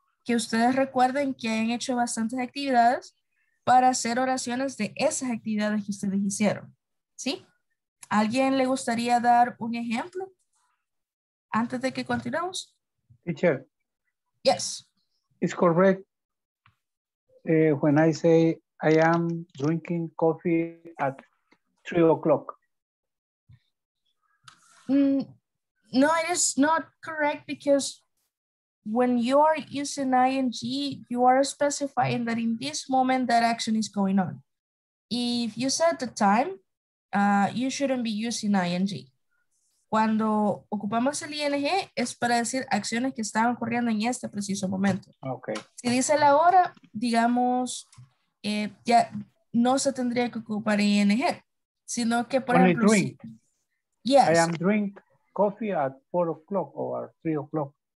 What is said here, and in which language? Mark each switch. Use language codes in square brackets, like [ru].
[es] Que ustedes recuerden que han hecho bastantes actividades para hacer oraciones de esas actividades que ustedes hicieron, ¿sí? ¿A alguien le gustaría dar un ejemplo antes de que continuemos? [en] Teacher. Yes. It's correct. When I say I am drinking coffee at 3 o'clock. No, it is not correct because when you are using ing, you are specifying that in this moment that action is going on. If you set the time, you shouldn't be using ing. [es] Cuando ocupamos el ing es para decir acciones que están ocurriendo en este preciso momento. [en] Okay. [es] Si dice la hora, digamos, ya no se tendría que ocupar ing, sino que por [en] only [es] ejemplo. [en] Drink. [es] Si, [en] yes. I am drink coffee at 4 o'clock or 3 o'clock.